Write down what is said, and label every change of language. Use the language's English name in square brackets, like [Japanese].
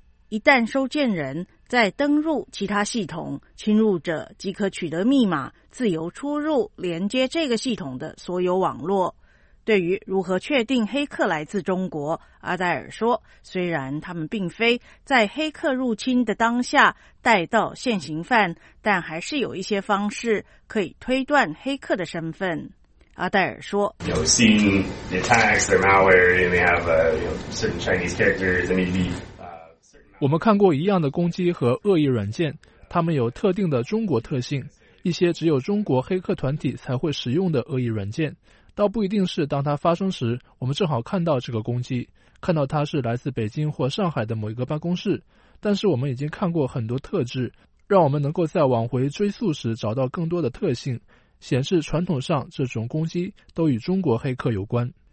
[Chinese] 一旦收件人再登入其他系统，侵入者即可取得密码，自由出入连接这个系统的所有网络。对于如何确定黑客来自中国，阿黛尔说，虽然他们并非在黑客入侵的当下带到现行犯，但还是有一些方式可以推断黑客的身份。阿黛尔说， [English] You've seen the attacks, their malware, and they have certain Chinese characters, and maybe [Chinese] 我们看过一样的攻击和恶意软件，他们有特定的中国特性，一些只有中国黑客团体才会使用的恶意软件，倒不一定是当它发生时我们正好看到这个攻击，看到它是来自北京或上海的某一个办公室，但是我们已经看过很多特质，让我们能够在往回追溯时找到更多的特性，显示传统上这种攻击都与中国黑客有关。